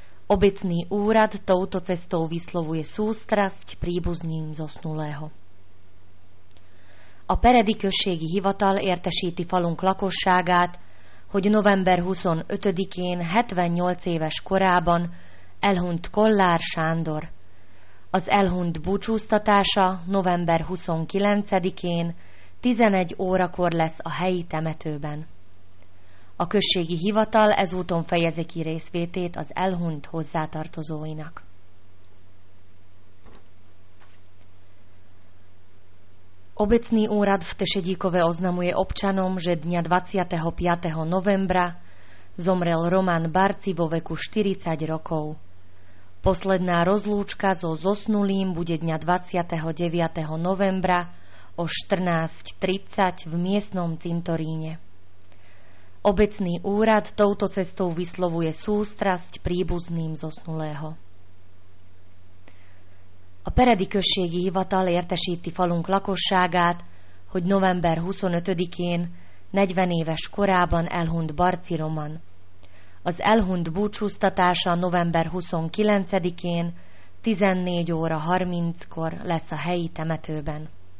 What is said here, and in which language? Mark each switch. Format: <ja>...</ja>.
<sk>Obecný úrad touto cestou vyslovuje sústrasť príbuzným zosnulého.</sk> <hu>A peredikösségi hivatal értesíti falunk lakosságát, hogy november 25-én 78 éves korában elhunyt Kollár Sándor. Az elhunyt búcsúztatása november 29-én 11 órakor lesz a helyi temetőben. A községi hivatal ezúton fejezi ki részvétét az elhunyt hozzátartozóinak.</hu> <sk>Obecný úrad v Tešedíkove oznamuje občanom, že dňa 25. novembra zomrel Roman Barci vo veku 40 rokov. Posledná rozlúčka so zosnulým bude dňa 29. novembra o 14.30 v miestnom cintoríne. Obecný úrad touto cestou vyslovuje sústrasť príbuzným zosnulého.</sk> <hu>A peredi községi hivatal értesíti falunk lakosságát, hogy november 25-én 40 éves korában elhunyt Barci Roman. Az elhunyt búcsúztatása november 29-én 14 óra 30-kor lesz a helyi temetőben.</hu>